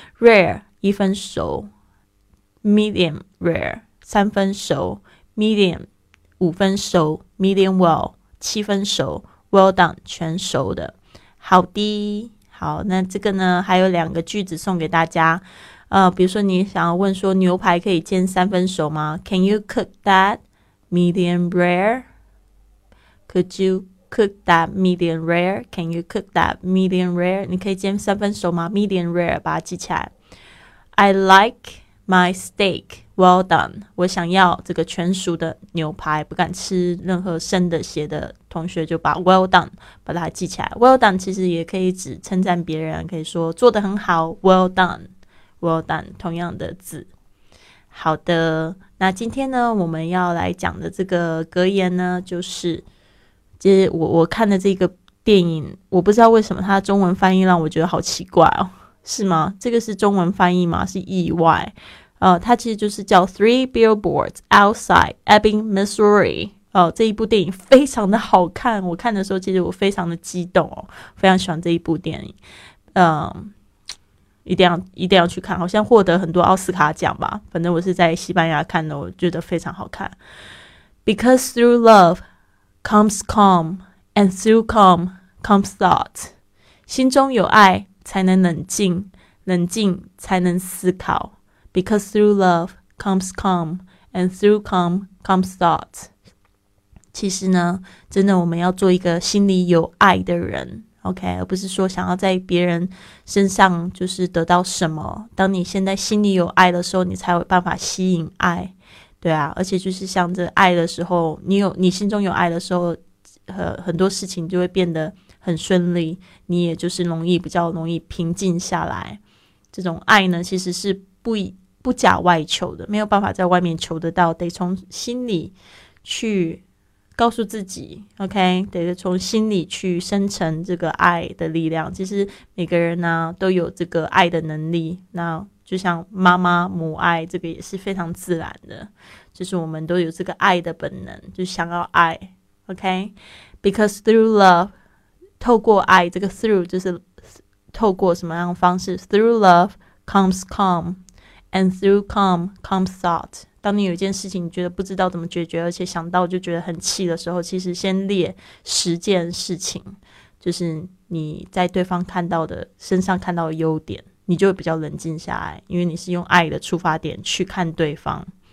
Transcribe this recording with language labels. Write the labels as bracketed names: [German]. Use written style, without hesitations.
[Chinese] Rare 一分熟 ，medium rare 三分熟 ，medium 五分熟 ，medium well 七分熟 ，well done 全熟的，好的。好，那这个呢还有两个句子送给大家。比如说你想要问说牛排可以煎三分熟吗？ [English] Can you cook that medium rare? Could you cook that medium rare? Can you cook that medium rare? [Chinese] 你可以煎三分熟吗？ Medium rare 把它记起来。 [English] I like my steak well done. [Chinese] 我想要这个全熟的牛排，不敢吃任何生的血的同学就把 well done 把它记起来。 well done 其实也可以指称赞别人，可以说做得很好， well done， well done 同样的字。好的，那今天呢我们要来讲的这个格言呢，就是其实 我看的这个电影，我不知道为什么它中文翻译让我觉得好奇怪哦。是吗？这个是中文翻译吗？是意外。它其实就是叫 Three Billboards Outside Ebbing, Missouri。这一部电影非常的好看，我看的时候其实我非常的激动哦，非常喜欢这一部电影。一定要去看，好像获得很多奥斯卡奖吧，反正我是在西班牙看的，我觉得非常好看。 [English] Because through love comes calm, and through calm comes thought. [Chinese] 心中有爱才能冷静，冷静才能思考。 [English] Because through love comes calm, and through calm comes thought. [Chinese] 其实呢，真的我们要做一个心里有爱的人。 OK， 而不是说想要在别人身上就是得到什么。当你现在心里有爱的时候，你才有办法吸引爱，对啊。而且就是像这爱的时候，你心中有爱的时候，很多事情就会变得很顺利，你也就是比较容易平静下来。这种爱呢，其实是不假外求的，没有办法在外面求得到，得从心里去。告诉自己 OK， 得从心里去生成这个爱的力量。其实每个人呢、啊、都有这个爱的能力，那就像妈妈母爱，这个也是非常自然的，就是我们都有这个爱的本能，就想要爱 OK。 [English] Because through love， [Chinese] 透过爱，这个 through 就是透过什么样的方式。 [English] Through love comes calm， and through calm comes thought。 [Chinese] 当你有一件事情你觉得不知道怎么解决，而且想到就觉得很气的时候，其实先列十件事情，就是你在对方身上看到的优点，你就会比较冷静下来，因为你是用爱的出发点去看对方。